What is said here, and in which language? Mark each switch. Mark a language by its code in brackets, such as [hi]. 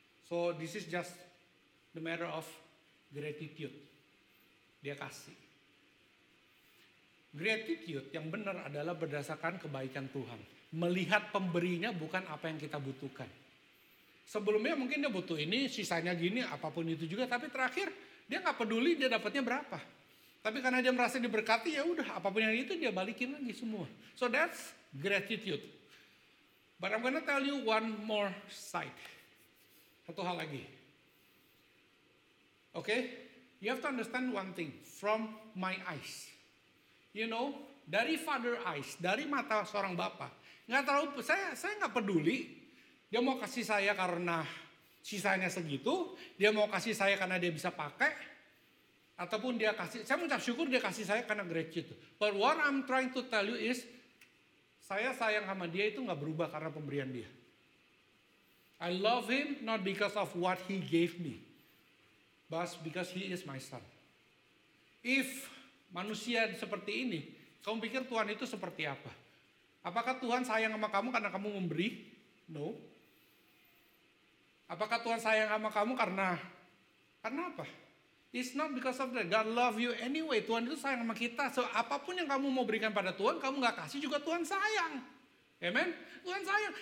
[en] So this is just the matter of gratitude. [id] Dia kasih. Gratitude yang benar adalah berdasarkan kebaikan Tuhan. Melihat pemberinya bukan apa yang kita butuhkan. Sebelumnya mungkin dia butuh ini, sisanya gini, apapun itu juga. Tapi terakhir dia gak peduli dia dapatnya berapa. Tapi karena dia merasa diberkati, ya udah apapun yang itu dia balikin lagi semua. [en] So that's gratitude. But I'm gonna tell you one more side. [id] Satu hal lagi. [en] Okay? You have to understand one thing. From my eyes. You know, [id] dari father eyes, dari mata seorang bapak. Gak terlalu, saya gak peduli. Dia mau kasih saya karena sisanya segitu. Dia mau kasih saya karena dia bisa pakai. Ataupun dia kasih, saya mengucap syukur dia kasih saya karena gratitude. [en] But what I'm trying to tell you is, [id] saya sayang sama dia itu gak berubah karena pemberian dia. [en] I love him not because of what he gave me, but because he is my son. [id] If manusia seperti ini, kamu pikir Tuhan itu seperti apa? Apakah Tuhan sayang sama kamu karena kamu memberi? [en] No. [id] Apakah Tuhan sayang sama kamu karena apa? [en] It's not because of that. God love you anyway. [id] Tuhan itu sayang sama kita. So apapun yang kamu mau berikan pada Tuhan, kamu gak kasih juga Tuhan sayang. Amen? Tuhan sayang.